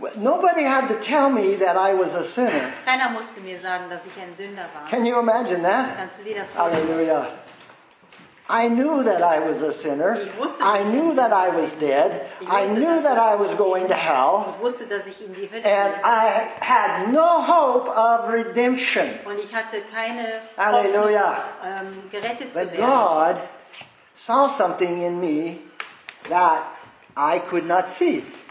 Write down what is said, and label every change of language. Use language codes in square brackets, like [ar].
[en] Nobody had to tell me that I was a sinner. [de] Keiner musste mir sagen, dass ich ein Sünder war. [en] Can you imagine that? [de] Kannst du dir das vorstellen? Halleluja. [en] I knew that I was a sinner. I knew that I was dead. I knew that I was going to hell. And I had no hope of redemption. Hallelujah. But God saw something in me that I could not see.